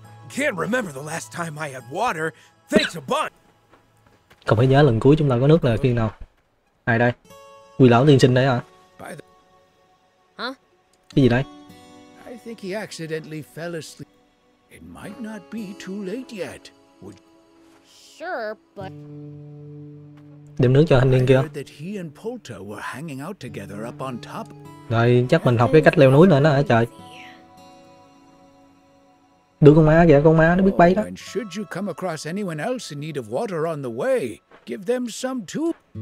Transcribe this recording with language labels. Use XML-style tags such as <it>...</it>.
<en>Can't remember the last time I had water. Thanks a bunch.</en> <vi>Không phải nhớ lần cuối chúng ta có nước là khi nào? Ai đây? Quỷ lão tiên sinh đấy hả? Hả? Cái gì đây?</vi> <en>I think he accidentally fell asleep. It might not be too late yet. Would... Sure, but.</en> <vi>Đem nước cho thanh niên kia.</vi> <en>That he and Polta were hanging out together up on top.</en> <vi>Rồi chắc mình học cái cách leo núi nữa đó hả trời? Đưa con má kìa, con má nó biết bay đó.</vi> <en>And should you come across anyone else in need of water on the way, give them some too.</en>